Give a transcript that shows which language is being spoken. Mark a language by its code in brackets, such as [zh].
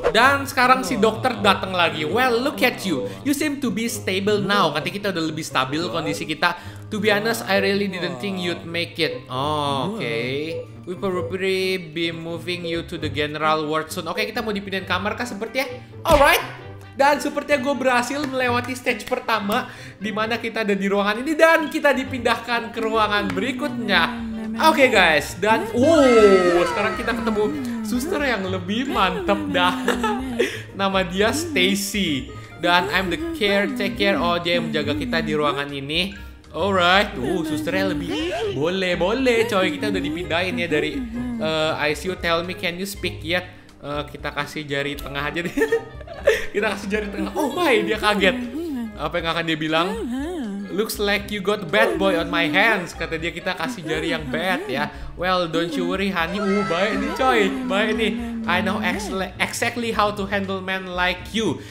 [id] Dan sekarang si dokter datang lagi. [en] Well, look at you. You seem to be stable now. [id] Katanya kita udah lebih stabil kondisi kita. [en] To be honest, I really didn't think you'd make it. Oh, okay. We probably be moving you to the general ward soon. [id] Okay, kita mau dipindahin kamar kah sepertinya? Alright. Dan sepertinya gue berhasil melewati stage pertama di mana kita ada di ruangan ini dan kita dipindahkan ke ruangan berikutnya. Okay, guys. Dan sekarang kita ketemu suster yang lebih mantep dah. Nama dia Stacy. Dan [en] I'm the caretaker. [id] Oh, dia yang menjaga kita di ruangan ini. Alright, susternya lebih boleh, coy, kita udah dipindahin ya dari ICU. [en] Tell me, can you speak yet? [id] Kita kasih jari tengah aja deh. Kita kasih jari tengah. Oh my, dia kaget. Apa yang akan dia bilang? [en] Looks like you got bad boy on my hands. [id] Kata dia, kita kasih jari yang bad ya. [en] Well, don't you worry, honey. [id] Baik nih, coy. Baik nih. [en] I know exactly how to handle men like you.